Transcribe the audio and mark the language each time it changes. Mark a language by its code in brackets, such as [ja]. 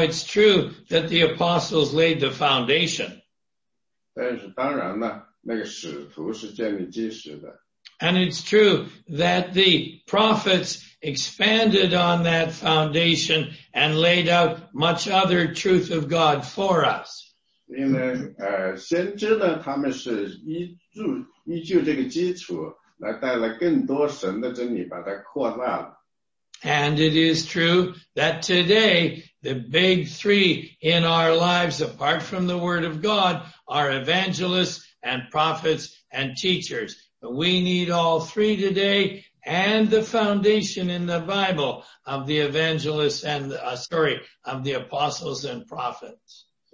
[en] it's true that the apostles laid the foundation. [zh] 但是当然呢，那个使徒是建立基石的。 [en] And it's true that the prophets expanded on that foundation and laid out much other truth of God for us. [zh] 因为先知呢，他们是依据这个基础来带来更多神的真理，把它扩大了。 [en] And it is true that today the big three in our lives, apart from the Word of God, are evangelists and prophets and teachers. We need all three today and the foundation in the Bible of the evangelists and, of the apostles and prophets.